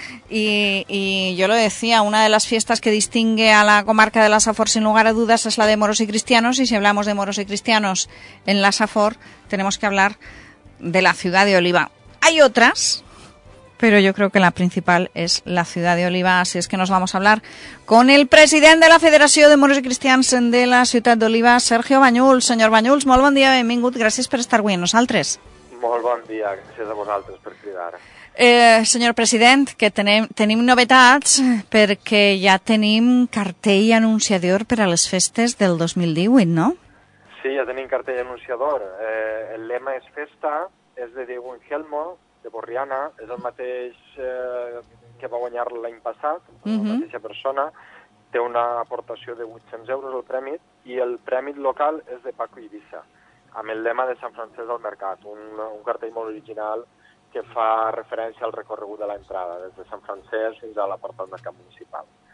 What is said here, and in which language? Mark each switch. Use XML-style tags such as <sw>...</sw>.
<es>Y yo lo decía, una de las fiestas que distingue a la comarca de la Safor sin lugar a dudas es la de moros y cristianos, y si hablamos de moros y cristianos en la Safor, tenemos que hablar de la ciudad de Oliva. Hay otras, pero yo creo que la principal es la ciudad de Oliva, así es que nos vamos a hablar con el presidente de la Federación de Moros y Cristians de la ciudad de Oliva, Sergio Banyuls.</es> <ca>Señor Banyuls, molt bon dia, benvingut, gràcies per estar avui amb nosaltres. Molt bon dia, gràcies a vosaltres per cridar. Senyor president, que tenim novetats perquè ja tenim cartell anunciador per a les festes del 2018, no? Sí, ja tenim cartell anunciador. El lema és festa, és de Diego Ingelmo, de Borriana, és el mateix que va guanyar l'any passat, la mateixa persona, té una aportació de 800 euros al premi, i el premi local és de Paco Eivissa, amb el lema de Sant Francesc del Mercat, un cartell molt original que fa referència al recorregut de l'entrada, des de Sant Francesc fins a la porta del mercat municipal.</ca>